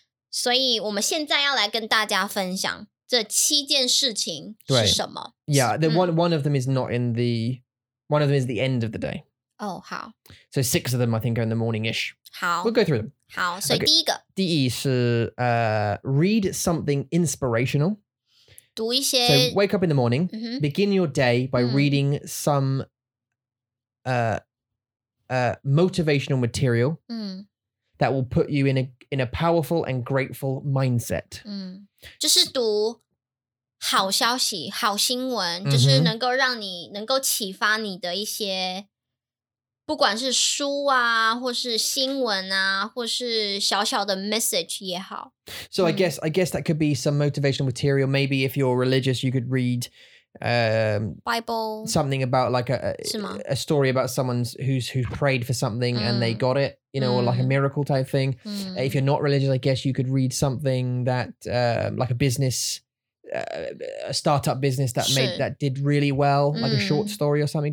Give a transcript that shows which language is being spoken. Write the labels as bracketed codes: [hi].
[zh] 所以我们现在要来跟大家分享。这七件事情是什么 [en] right. Yeah, the one of them is not in the... One of them is the end of the day. [zh] Oh, 好。 [en] So six of them, I think, are in the morning-ish. [zh] 好。 [en] We'll go through them. [zh] 好,所以第一个。Okay. 第一是 [en] read something inspirational. [zh] 读一些... [en] So wake up in the morning, mm-hmm. begin your day by reading some motivational material that will put you in a powerful and grateful mindset. [zh] 就是读好消息、好新闻，就是能够让你能够启发你的一些，不管是书啊，或是新闻啊，或是小小的 message 也好。 [en] So I guess that could be some motivational material. Maybe if you're religious, you could read Bible. Something about like a story about someone who's prayed for something and they got it, you know, or like a miracle type thing. If you're not religious, I guess you could read something that like a business, a startup business that did really well, like a short story or something.